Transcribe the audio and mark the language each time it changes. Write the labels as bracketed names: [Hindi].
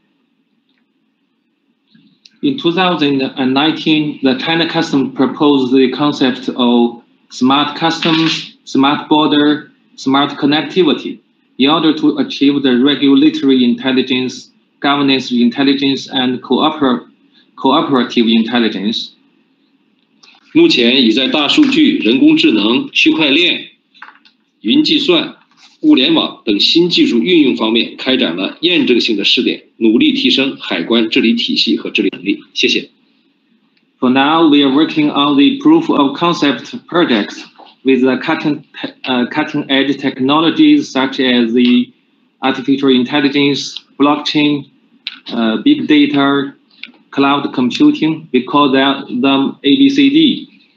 [Chinese] 2019年，中国海关提出了共推智慧海关、智能边境、智享联通建设与合作的倡议，努力实现监管智能、治理智能、合作智能。 [English] In 2019, the China Customs proposed the concept of smart customs, smart border, smart connectivity in order to achieve the regulatory intelligence. Governance intelligence and cooperative intelligence. [Chinese] 目前已在大数据、人工智能、区块链、云计算、物联网等新技术运用方面开展了验证性的试点，努力提升海关治理体系和治理能力。谢谢。 [English] For now, we are working on the proof of concept project with the cutting edge technologies such as the artificial intelligence, blockchain. Big data, cloud computing, we call them ABCD.